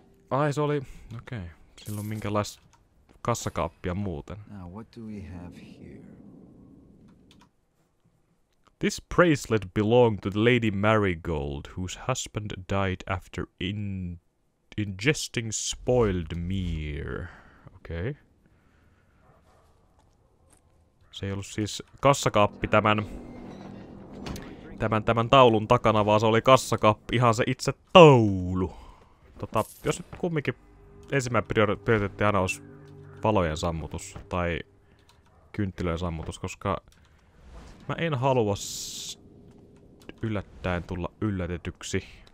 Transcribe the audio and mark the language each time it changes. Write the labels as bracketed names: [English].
[Finnish] Ai se oli, okei. Silloin minkälais kassakaappia muuten. [English] Now, what do we have here? This bracelet belonged to the Lady Marigold, whose husband died after ingesting spoiled mir. [Finnish] Okei. Se ei ollut siis kassakaappi tämän taulun takana, vaan se oli kassakaappi, ihan se itse taulu. Jos nyt kumminkin ensimmäinen prioriteetti aina olisi valojen sammutus tai kynttilöjen sammutus, koska mä en halua yllättäen tulla yllätetyksi.